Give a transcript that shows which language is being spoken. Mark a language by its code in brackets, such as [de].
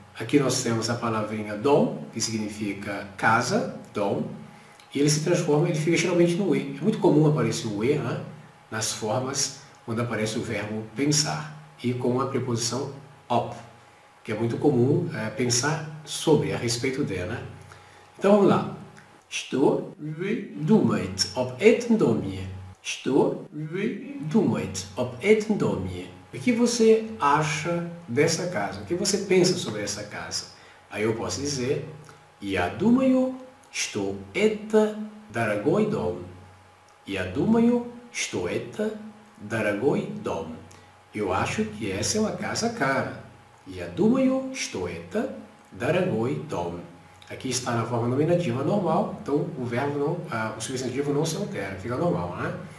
[pt] Aqui nós temos a palavrinha dom, que significa casa, dom, e ele se transforma, ele fica geralmente no e. É muito comum aparecer o e, né, nas formas quando aparece o verbo pensar e com a preposição op, que é muito comum pensar sobre, a respeito dela. Então vamos lá. Estou wie dummeit ob etten domie. Estou wie dummeit ob etten domie. O que você acha dessa casa? O que você pensa sobre essa casa? Aí eu posso dizer, [ru] Я думаю, что это дорогой дом. Я думаю, что это дорогой дом. [pt] Eu acho que essa é uma casa cara. [ru] Я думаю, что это дорогой дом. [pt] Aqui está na forma nominativa normal, então o verbo, o substantivo não se altera, fica normal, né?